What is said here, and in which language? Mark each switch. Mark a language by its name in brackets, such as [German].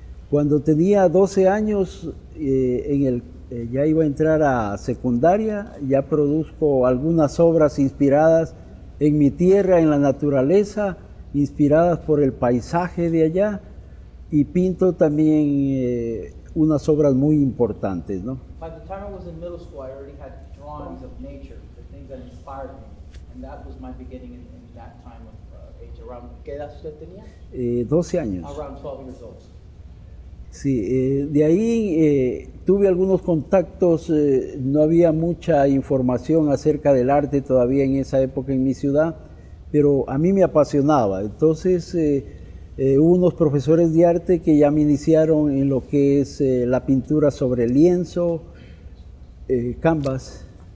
[Spanish] Cuando tenía 12 años, ya iba a entrar a secundaria, ya produzco algunas obras inspiradas en mi tierra, en la naturaleza, inspiradas por el paisaje de allá, y pinto también unas obras muy importantes, ¿no? [English] By the time I was in middle school, I already had drawings of nature, the things that inspired me, and that was my beginning in that time of age. Around, [Spanish] ¿qué edad usted tenía? 12 años. [English] Around 12 years old. [Spanish] Sí, de ahí tuve algunos contactos, no había mucha información acerca del arte todavía en esa época en mi ciudad, pero a mí me apasionaba. Entonces, hubo unos profesores de arte que ya me iniciaron en lo que es la pintura sobre lienzo, canvas.